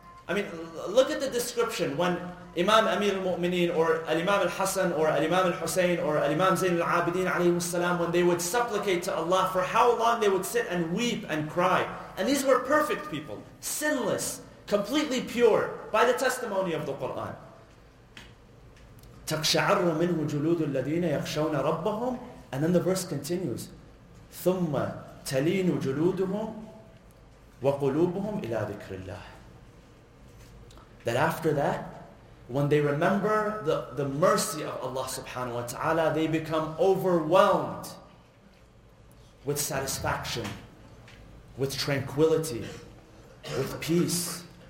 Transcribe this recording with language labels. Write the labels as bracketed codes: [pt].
[en] I mean, look at the description when Imam Amir al-Mu'mineen or Al-Imam al-Hassan or Al-Imam al-Hussein or Al-Imam Zain al-Abidin alayhi wassalam, when they would supplicate to Allah, for how long they would sit and weep and cry. And these were perfect people, sinless, completely pure, by the testimony of the Qur'an. [ar] تَقْشَعَرُّ مِنْهُ جُلُودُ الَّذِينَ يَخْشَوْنَ رَبَّهُمْ. [en] And then the verse continues, [ar] ثُمَّ تَلِينُ جُلُودُهُمْ وَقُلُوبُهُمْ إِلَىٰ ذِكْرِ اللَّهِ. [en] That after that, when they remember the mercy of Allah subhanahu wa ta'ala, they become overwhelmed with satisfaction, with tranquility, with peace.